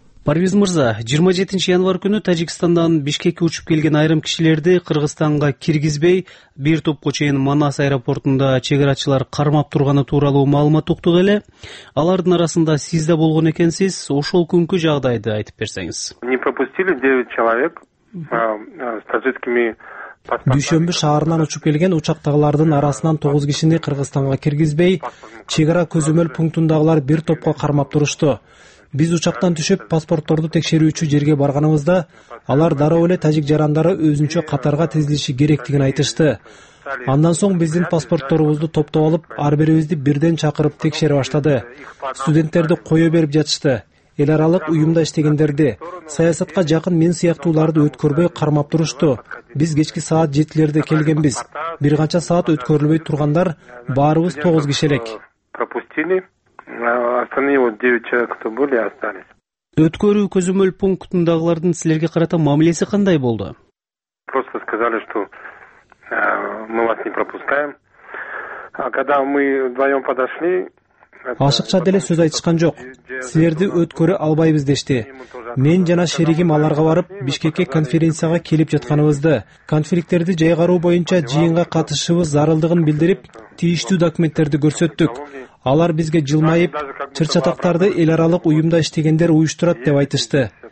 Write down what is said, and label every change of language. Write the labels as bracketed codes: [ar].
[ky] Парвиз Мырза, 27 январ күнү Тажикстандан Бишкекке учуп келген айрым кишилерди Кыргызстанга киргизбей, бир топко чейин Манас аэропортунда чек арачылар кармап турганы тууралуу маалымат уктук эле. Алардын арасында сиз да болгон экенсиз, ошол күнкү жагдайды айтып берсеңиз. [ru] Не пропустили 9 человек с таджикскими паспортами. [ky] Дүйшөмбү шаарынан учуп келген учактагылардын арасынан 9 кишини Кыргызстанга киргизбей, чек ара көзөмөл пунктундагылар бир топко кармап турушту. Биз учактан түшүп паспортторду текшерүүчү жерге барганыбызда алар дароо эле тажик жарандары өзүнчө катарга тизилиши керектигин айтышты. Андан соң биздин паспортторубузду топтоп алып, ар бирибизди бирден чакырып текшере баштады. Студенттерди кое берип жатышты. Эл аралык уюмда иштегендерди, саясатка жакын мен сыяктууларды өткөрбөй кармап турушту. Биз кечки саат 7:00 келгенбиз. Бир канча саат өткөрүлбөй тургандар баарыбыз 9 киши элек. [ru] Остальные вот 9 человек, кто были, остались. [ky] Өткөрүү көзөмөл пунктундагылардын силерге карата мамилеси кандай болду? [ru] Просто сказали, что мы вас не пропускаем. А когда мы вдвоём подошли, [ky] ашыкча деле сөз айтышкан жок. Силерди өткөрө албайбыз дешти. Мен жана шеригим аларга барып, Бишкекке конференцияга келип жатканыбызды, конфликттерди жайгаруу боюнча жыйынга катышыбыз зарылдыгын билдирип, тийиштүү документтерди көрсөттүк. Алар бизге жылмайып, чыр-чатактарды эл аралык уюмда иштегендер уюштурат деп айтышты.